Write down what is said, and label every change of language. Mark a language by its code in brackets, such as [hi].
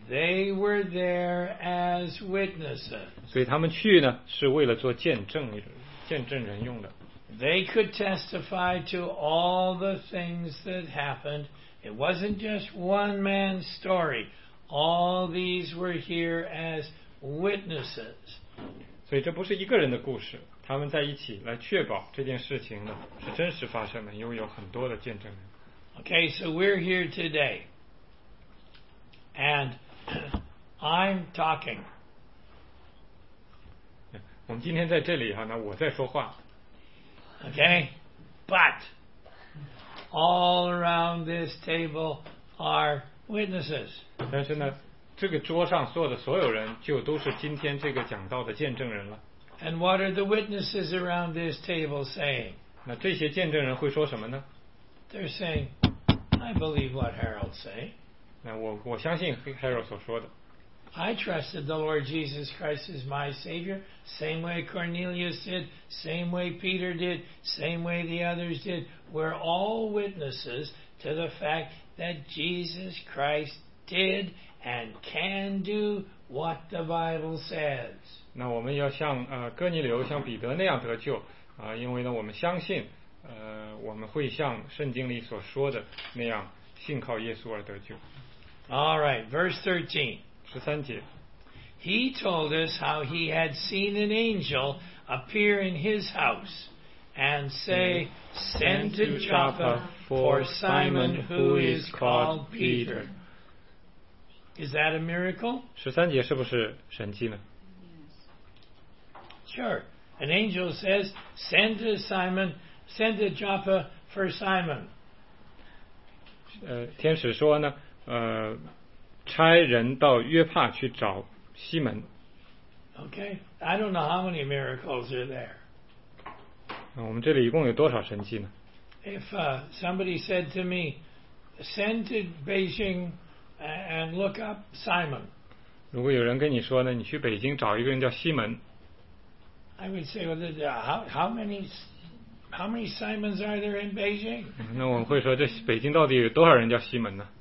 [en] They were there as witnesses. [zh] 所以他们去呢，是为了做见证人用的。 [en] They could testify to all the things that happened. It wasn't just one man's story. All these were here as witnesses. [zh] 所以这不是一个人的故事，他们在一起来确保这件事情呢是真实发生的，因为有很多的见证人。 [en] Okay, so we're here today. And I'm talking. [zh] 我们今天在这里哈，那我在说话。 [en] Okay, but all around this table are witnesses. [zh] 但是呢，这个桌上坐的所有人就都是今天这个讲到的见证人了。 [en] And what are the witnesses around this table saying? [zh] 那这些见证人会说什么呢？ [en] They're saying, I believe what Harold say. [zh] 那我相信 Harold 所说的。 [en] I trusted the Lord Jesus Christ as my Savior, same way Cornelius did, same way Peter did, same way the others did. We're all witnesses to the fact that Jesus Christ did and can do what the Bible says. [zh] 那我们要像哥尼流像彼得那样得救啊，因为呢我们相信我们会像圣经里所说的那样信靠耶稣而得救。 [en] All right, verse 13. [zh] 13节。 [en] He told us how he had seen an angel appear in his house and say, Send to Joppa for Simon who is called Peter. Is that a miracle? [zh] 13节是不是神迹呢？ [en] Sure. An angel says, send to Joppa for Simon. [zh] 天使说呢，差人到约帕去找西门。 [en] Okay, I don't know how many miracles are there. [zh] 我们这里一共有多少神迹呢？ [en] If somebody said to me, send to Beijing and look up Simon. [zh] 如果有人跟你说呢，你去北京找一个人叫西门。 [en] I would say, well, how many Simons are there in Beijing? [zh] 那我会说，这北京到底有多少人叫西门呢？